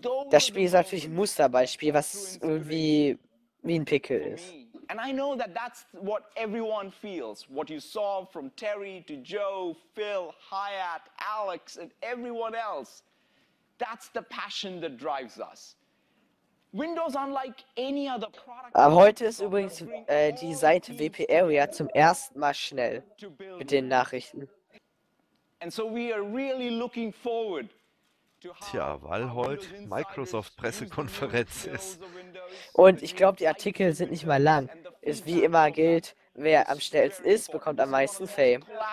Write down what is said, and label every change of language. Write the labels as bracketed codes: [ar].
[de] Das Spiel ist natürlich ein Musterbeispiel, was irgendwie wie ein Pickel ist. [en] And I know that that's what everyone feels. What you saw from Terry to Joe, Phil, Hyatt, Alex and everyone else. That's the passion that drives us. Windows unlike any other product. [de] Heute ist übrigens die Seite WP Area zum ersten Mal schnell mit den Nachrichten. [en] And so we are really looking forward. [de] Tja, weil heute Microsoft-Pressekonferenz ist. Und ich glaube, die Artikel sind nicht mal lang. Ist wie immer gilt, wer am schnellsten ist, bekommt am meisten Fame.